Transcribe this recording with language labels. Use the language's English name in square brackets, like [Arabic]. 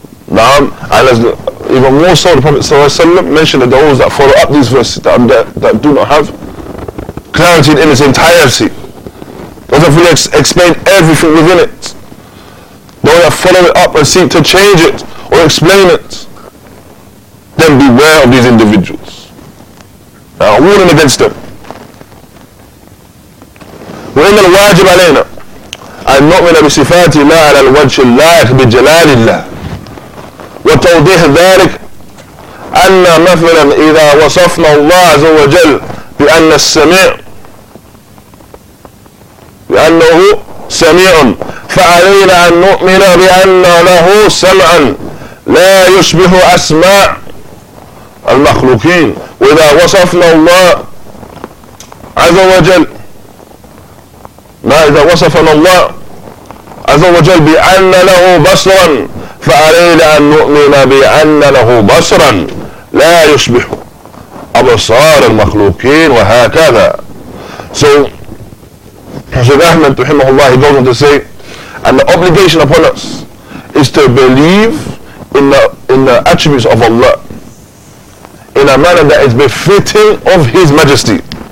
[English] Now, and as even more so, the Prophet ﷺ mentioned that those that follow up these verses that do not have clarity in its entirety, doesn't fully explain everything within it, don't follow it up and seek to change it or explain it, then beware of these individuals. Now, warning against them. [Arabic] وإن الواجب علينا أن نؤمن بصفات الله على الوجه اللائق بجلال الله وتوضيح ذلك أن مثلا إذا وصفنا الله عز وجل بأن السميع بأنه سميع فعلينا أن نؤمن بأن له سمعا لا يشبه أسماء المخلوقين وإذا وصفنا الله عز وجل ما إذا وصفنا الله عز وجل بأن له بصرا فعلينا أن نؤمن بأن له بصرا لا يشبه أبصار المخلوقين وهكذا. [English] So Shaykh Ahmed, rahimahullah, he goes on to say, and the obligation upon us is to believe in the attributes of Allah in a manner that is befitting of His Majesty.